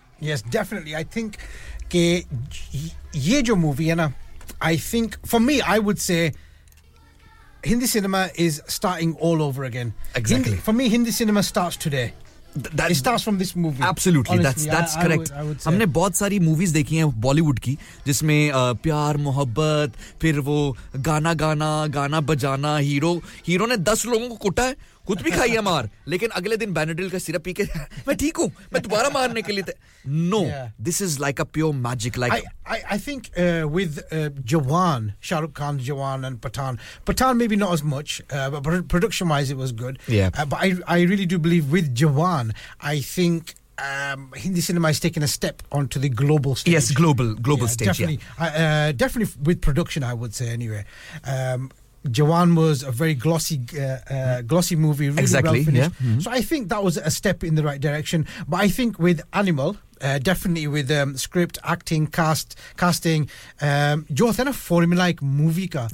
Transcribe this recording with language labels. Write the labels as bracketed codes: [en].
[en] yes definitely I think [hi] कि ये जो मूवी है ना, [en] I think for me I would say Hindi cinema is starting all over again. Exactly. For me, Hindi cinema starts today. It starts from this movie. Absolutely. Honestly, that's correct. [hi] हमने बहुत सारी movies देखी हैं Bollywood की, जिसमें प्यार, मोहब्बत, फिर वो गाना गाना, गाना बजाना, hero ने 10 लोगों को कुटा है. खुद भी खाई है मार लेकिन अगले दिन बेनाड्रिल का सिरप पी के मैं ठीक हूं मैं दोबारा मारने के लिए [en] No this is like a pure magic like I think with Jawan Shahrukh Khan Jawan and Pathaan may be not as much production wise it was good but I really do believe with Jawan I think Hindi cinema is taking a step onto the global stage. Yes, global yeah, stage. Definitely, yeah. Definitely with production, I would say anyway. Jawan was a very glossy glossy movie, really exactly, well finished. Yeah. Mm-hmm. So I think that was a step in the right direction. But I think with Animal, definitely with script, acting, casting, [hi] jo thena formula-like movie ka.